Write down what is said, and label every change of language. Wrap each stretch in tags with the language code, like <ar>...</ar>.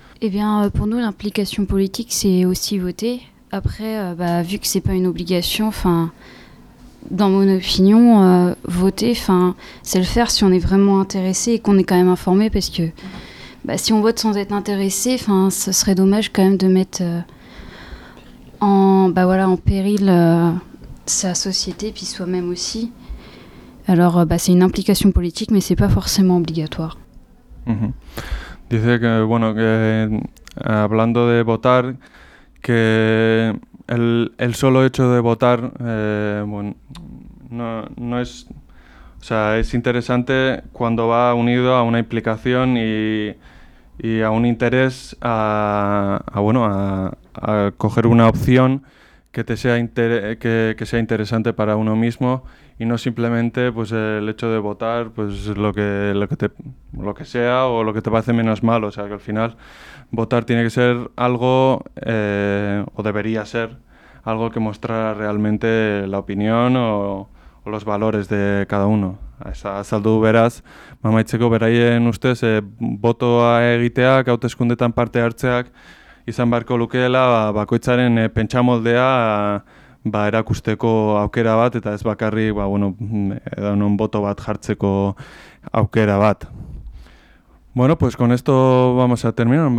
<fr>Eh bien, pour nous, l'implication politique, c'est aussi voter. Après, vu que c'est pas une obligation, enfin, dans mon opinion, voter, enfin, c'est le faire si on est vraiment intéressé et qu'on est quand même informé, parce que, si on vote sans être intéressé, enfin, ce serait dommage quand même de mettre en péril sa société puis soi-même aussi. Alors, c'est une implication politique, mais c'est pas forcément obligatoire.</fr> <es>Dice que, bueno, que hablando de votar, que el solo hecho de votar, no es, o sea, es interesante cuando va unido a una implicación y a un interés a coger una opción que sea interesante para uno mismo. Y no simplemente pues el hecho de votar pues lo que sea o lo que te parece menos malo, o sea que al final votar tiene que ser algo o debería ser algo que mostrara realmente la opinión o los valores de cada uno.</es> <eu>Azaldu beraz, amaitzeko, beraien ustez botoa egiteak, hauteskundetan parte hartzeak izan beharko lukeela bakoitzaren pentsamoldea erakusteko aukera bat, eta ez bakarrik, edo non boto bat jartzeko aukera bat.</eu> <es>Bueno, pues con esto vamos a terminar.</es>